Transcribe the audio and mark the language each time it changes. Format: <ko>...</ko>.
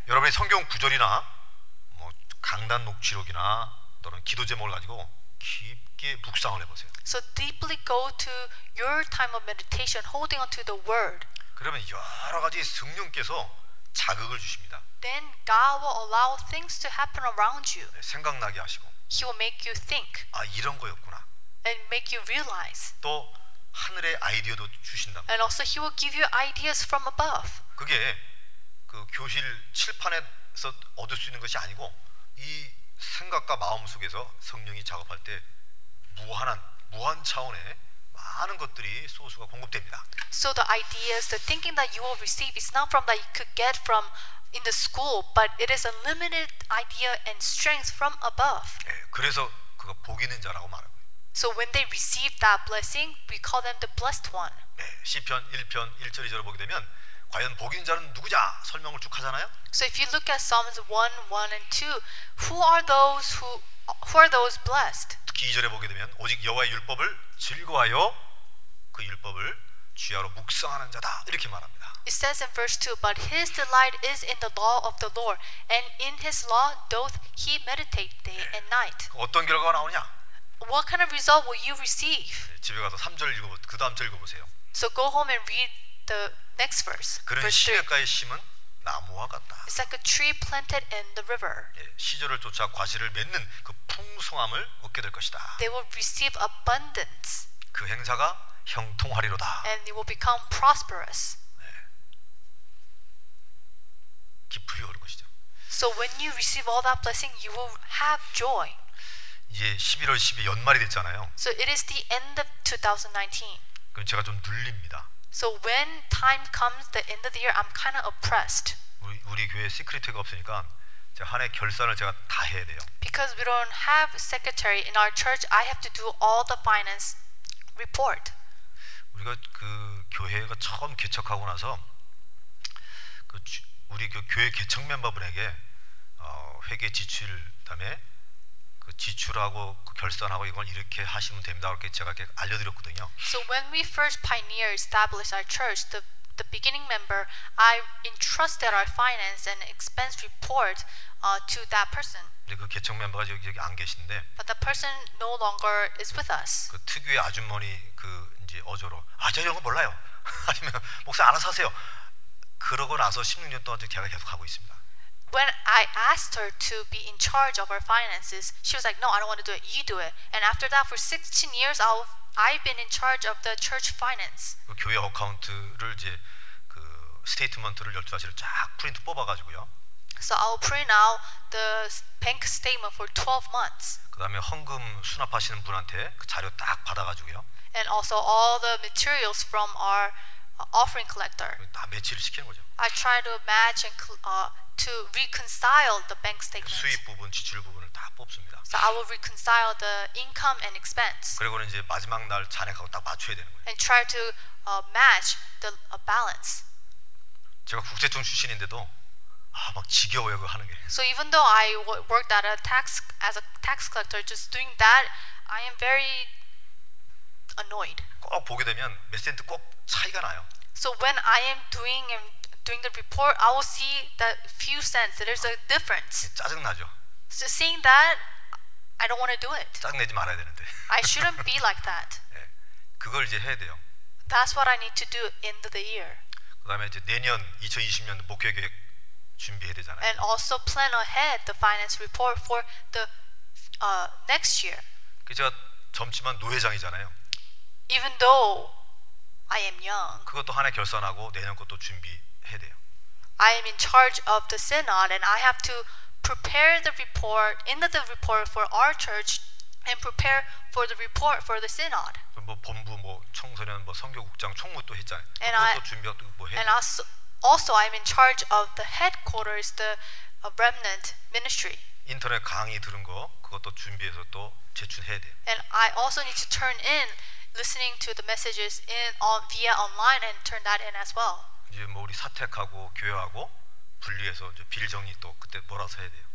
<ko>여러분의 성경 구절이나 뭐 강단 녹취록이나 또는 기도 제목을 가지고 깊게 묵상을 해보세요.</ko> <en>So deeply go to your time of meditation, holding onto the word.</en> <ko>그러면 여러 가지 성령께서 자극을 주십니다.</ko> <en>Then God will allow things to happen around you.</en> <ko>생각나게 하시고.</ko> <en>He will make you think.</en> <ko>아, 이런 거였구나.</ko> <en>and make you realize.</en> <ko>또 하늘의 아이디어도 주신다.</ko> <en>And also he will give you ideas from above.</en> <ko>그게 그 교실 칠판에서 얻을 수 있는 것이 아니고 이 생각과 마음 속에서 성령이 작업할 때 무한 차원의 많은 것들이 소수가 공급됩니다.</ko> <en>So the ideas, the thinking that you will receive is not from that you could get from in the school, but it is a limited idea and strength from above.</en> <ko>예, 그래서 그거 복 있는 자라고 말합니다.</ko> <en>So when they receive that blessing, we call them the blessed one.</en> <ko>예, 시편 1편 1절 2절을 보게 되면 과연 복 있는 자는 누구냐 설명을 쭉 하잖아요.</ko> <en>So if you look at Psalms 1, 1 and 2, who are those who are those blessed?</en> <ko>특히 2절에 보게 되면 오직 여호와의 율법을 즐거워하여 그 율법을 주야로 묵상하는 자다 이렇게 말합니다.</ko> <en>It says in verse 2, but his delight is in the law of the Lord, and in his law doth he meditate day 네. and night.</en> <ko>어떤 결과가 나오냐?</ko> <en>What kind of result will you receive?</en> <ko>집에 가서 3절 읽어보, 그 다음 절 읽어보세요.</ko> <en>So go home and read the next verse.</en> <ko>그런 시냇가에 심은 나무와 같다.</ko> <en>It's like a tree planted in the river.</en> <ko>예, 시절을 쫓아 과실을 맺는 그 풍성함을 얻게 될 것이다.</ko> <en>They will receive abundance.</en> <ko>그 행사가 형통하리로다.</ko> <en>And it will become prosperous.</en> <ko>예. 기쁘게 얻을 것이죠.</ko> <en>So when you receive all that blessing, you will have joy.</en> <ko>이제 11월 12일 연말이 됐잖아요.</ko> <en>So it is the end of 2019.</en> <ko>그럼 제가 좀 눌립니다.</ko> <en>So when time comes, the end of the year, I'm kind of oppressed.</en> <ko>우리 교회 시크릿회가 없으니까 제가 한 해 결산을 제가 다 해야 돼요.</ko> <en>Because we don't have secretary in our church, I have to do all the finance report.</en> <ko>우리가 그 교회가 처음 개척하고 나서 그 우리 그 교회 개척 멤버분에게 회계 지출 다음에 그 지출하고 그 결산하고 이걸 이렇게 하시면 됩니다. 이렇게 제가 이렇게 알려드렸거든요.</ko> <en>So when we first pioneer established our church, the beginning member, I entrusted our finance and expense report to that person.</en> <ko>근데 그 개척 멤버가 여기 안 계신데.</ko> <en>But the person no longer is with us.</en> <ko>그 특유의 아주머니 그 이제 어조로 아 저 이런 거 몰라요. 아니면 목사 알아서 하세요. 그러고 나서 16년 동안 제가 계속 하고 있습니다.</ko> <en>When I asked her to be in charge of our finances, she was like, no, I don't want to do it. You do it. And after that, for 16 years, I've been in charge of the church finance.</en> <ko>그 교회 어카운트를 이제 그 스테이트먼트를 12가지를 쫙 프린트 뽑아가지고요.</ko> <en>So I'll print out the bank statement for 12 months.</en> <ko>그 다음에 헌금 수납하시는 분한테 그 자료 딱 받아가지고요.</ko> <en>And also all the materials from our offering collector.</en> <ko>다 매치를 시키는 거죠.</ko> <en>I try to match and to reconcile the bank statement.</en> <ko>수입 부분, 지출 부분을 다 뽑습니다.</ko> <en>So I will reconcile the income and expense.</en> <ko>그리고는 이제 마지막 날 잔액하고 딱 맞춰야 되는 거예요.</ko> <en>And try to match the balance.</en> <ko>제가 국세청 출신인데도 막 지겨워요 그거 하는 게.</ko> <en>So even though I worked at a tax as a tax collector, just doing that, I am very annoyed.</en> <ko>꼭 보게 되면 몇 센트 꼭 차이가 나요.</ko> <en>So when I am doing the report, I will see that few cents. There's a difference.</en> <ko>짜증 나죠.</ko> <en>So seeing that, I don't want to do it.</en> <ko>짜증 내지 말아야 되는데.</ko> <en>I shouldn't be like that.</en> <ko>예, 그걸 이제 해야 돼요.</ko> <en>That's what I need to do end of the year.</en> <ko>그다음에 이제 내년 2020년 목회 계획 준비해야 되잖아요.</ko> <en>And also plan ahead the finance report for the next year.</en> <ko>제가 젊지만 노회장이잖아요.</ko> <en>Even though I am young.</en> <ko>그것도 한해 결산하고 내년 것도 준비.</ko> <en>I am in charge of the synod, and I have to prepare the report, end of the report for our church, and prepare for the report for the synod.</en> <ko>뭐 본부, 뭐 청소년, 뭐 선교국장, 총무도 했잖아요. 그것도 준비하고 뭐 해.</ko> <en>And also, I'm in charge of the headquarters, the remnant ministry.</en> <ko>인터넷 강의 들은 거, 그것도 준비해서 또 제출해야 돼.</ko> <en>And I also need to turn in listening to the messages in on via online and turn that in as well.</en> <ko>이제 뭐 우리 사택하고 교회하고 분리해서 이제 빌 정리 또 그때 몰아서 해야 돼요.</ko>